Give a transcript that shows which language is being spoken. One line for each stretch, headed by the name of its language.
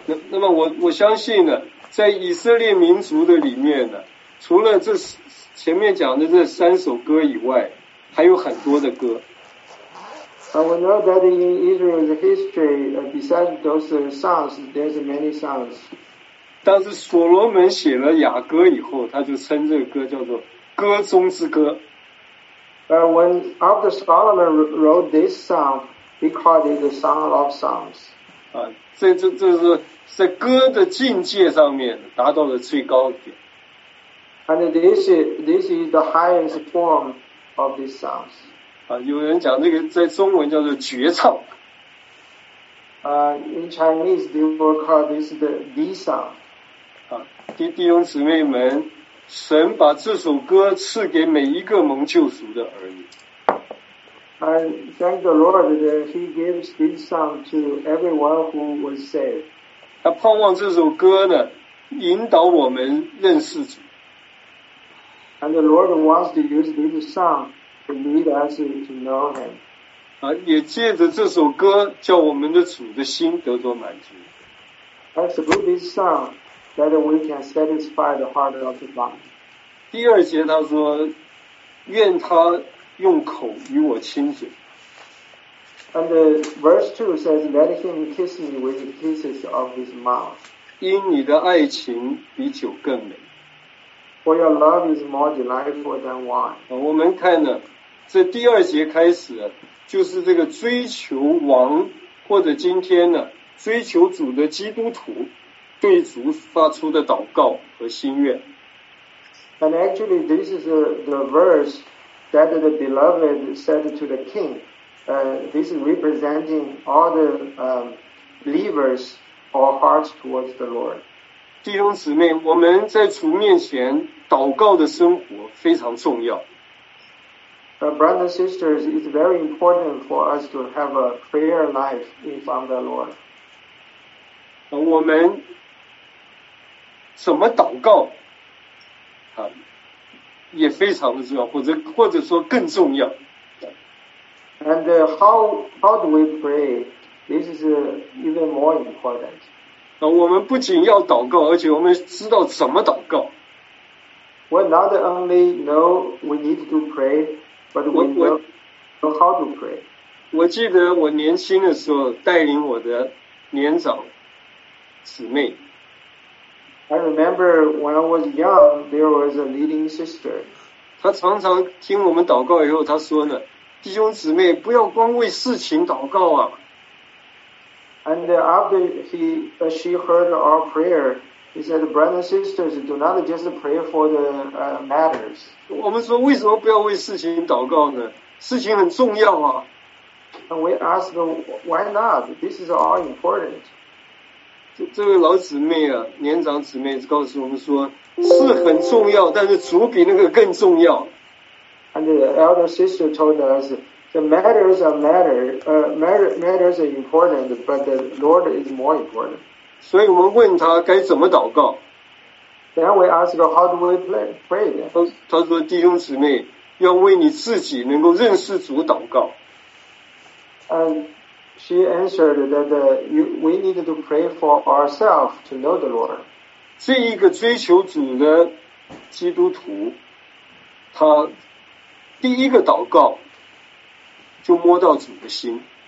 Chinese: 那么我相信呢，在以色列民族的里面呢，除了这前面讲的这三首歌以外，还有很多的歌。
English: We know that in Israel's history, besides those songs, there's many songs.
Chinese: 但是所罗门写了雅歌以后，他就称这个歌叫做歌中之歌。
English: When after Solomon wrote this song, he called it the Song of Songs.
Chinese: 这是在歌的境界上面达到了最高点。
English: And this is the highest form of these sounds.
Chinese: 啊，有人讲这个在中文叫做绝唱。
English: In Chinese, they will call this the Di Song.
Chinese: 啊，弟兄姊妹们，神把这首歌赐给每一个蒙救赎的儿女。
English: And thank the Lord that He gives this song to everyone who was saved.
Chinese: 他盼望这首歌呢，引导我们认识主。
English: And the Lord wants to use this song to lead us to know Him.
Chinese: 啊，也借着这首歌，叫我们的主的心得着满足。
English: And through this song, that we can satisfy the heart of the Lord.
Chinese: 第二节他说，愿他用口与我亲嘴。
English: And verse 2 says, let him kiss me with the kisses of his mouth.
Chinese: 因你的爱情比酒更美。
English: For your love is more delightful than wine.
Chinese: 我们看呢，这第二节开始就是这个追求王，或者今天呢追求主的基督徒对主发出的祷告和心愿。
English: And actually, this is the verse that the beloved said to the king. This is representing all the believers or hearts towards the Lord.
Chinese: 弟兄姊妹，我们在主面前祷告的生活非常重要。
English: Brothers and sisters, it's very important for us to have a prayer life in front of the Lord.
Chinese: 我们怎么祷告啊，也非常的重要，或者说更重要。
English: And how do we pray? This is even more important.
Chinese: 我们不仅要祷告，而且我们知道怎么祷告。
English: We not only know we need to pray, but we know how to pray.
Chinese: 我记得我年轻的时候带领我的年长姊妹。
English: I remember when I was young, there was a leading sister.
Chinese: 她常常听我们祷告以后，她说呢，弟兄姊妹，不要光为事情祷告啊。
English: And after she heard our prayer,He said, brothers and sisters, do not just pray for the matters.
Chinese: 我们说为什么不要为事情祷告呢？事情很重要啊。
English: And we ask, why not? This is all important.
Chinese: 这位老姊妹啊，年长姊妹告诉我们说，是很重要，但是主比那个更重要。
English: And the elder sister told us, the matters are matters are important, but the Lord is more important.
Chinese: 所以我们问他该怎么祷告。
English: Then we ask how do we pray?
Chinese: 他说弟兄姊妹要为你自己能够认识主祷告。
English: And she answered that we need to pray for ourselves to know the Lord.
Chinese: 这一个追求主的基督徒，他第一个祷告就摸到主的心。